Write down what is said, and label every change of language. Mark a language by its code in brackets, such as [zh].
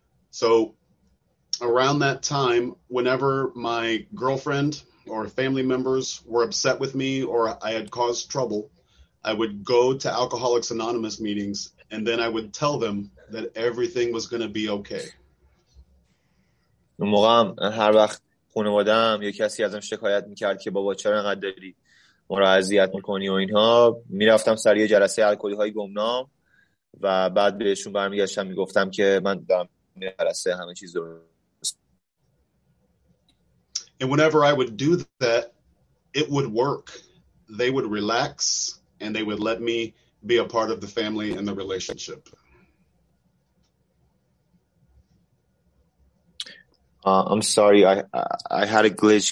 [en] So around that time, whenever my girlfriend or family members were upset with me or I had caused trouble, I would go to Alcoholics Anonymous meetings and then I would tell them that everything was going to be okay. [fa] اون موقع هر وقت خانواده هم یک کسی ازم شکایت میکرد که بابا چرا انقدر داری ما رو اذیت میکنی و اینها، میرفتم سر یه جلسه الکلی های گمنام و بعد بهشون برمیگشتم میگفتم که من دارم یه جلسه همه چیز رو. [en] And whenever I would do that, it would work. They would relax and they would let me be a part of the family and the relationship. I'm sorry, I had a glitch.